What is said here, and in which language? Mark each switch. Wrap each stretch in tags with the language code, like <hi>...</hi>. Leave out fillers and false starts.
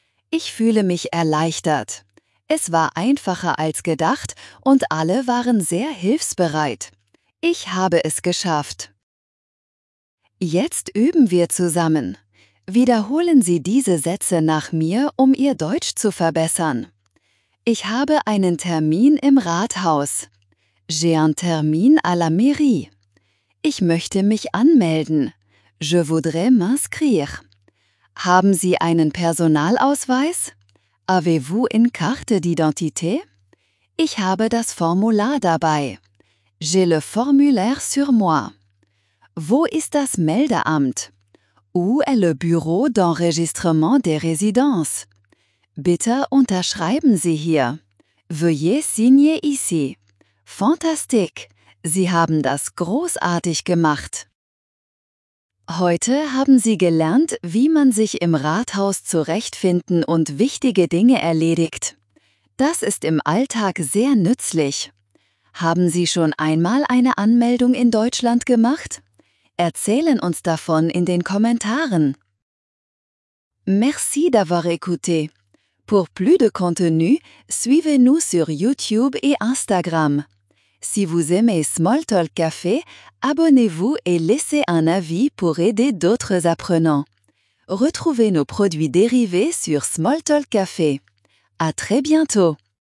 <de>Ich fühle mich erleichtert. Es war einfacher als gedacht und alle waren sehr hilfsbereit. Ich habe es geschafft. Jetzt üben wir zusammen. Wiederholen Sie diese Sätze nach mir, um Ihr Deutsch zu verbessern. Ich habe einen Termin im Rathaus.</de> <fr>J'ai un termin à la mairie.</fr> <de>Ich möchte mich anmelden.</de> <fr>Je voudrais m'inscrire.</fr> <de>Haben Sie einen Personalausweis?</de> <fr>Avez-vous une carte d'identité?</fr> <de>Ich habe das Formular dabei.</de> <fr>J'ai le formulaire sur moi.</fr> <de>Wo ist das Meldeamt?</de> <fr>Où est le bureau d'enregistrement des résidences?</fr> <de>Bitte unterschreiben Sie hier.</de> <fr>Veuillez signer ici.</fr> <de>Fantastique! Sie haben das großartig gemacht. Heute haben Sie gelernt, wie man sich im Rathaus zurechtfinden und wichtige Dinge erledigt. Das ist im Alltag sehr nützlich. Haben Sie schon einmal eine Anmeldung in Deutschland gemacht? Erzählen uns davon in den Kommentaren.</de> <fr>Merci d'avoir écouté. Pour plus de contenu, suivez-nous sur YouTube et Instagram. Si vous aimez Small Talk Café, abonnez-vous et laissez un avis pour aider d'autres apprenants. Retrouvez nos produits dérivés sur Small Talk Café. À très bientôt!</fr>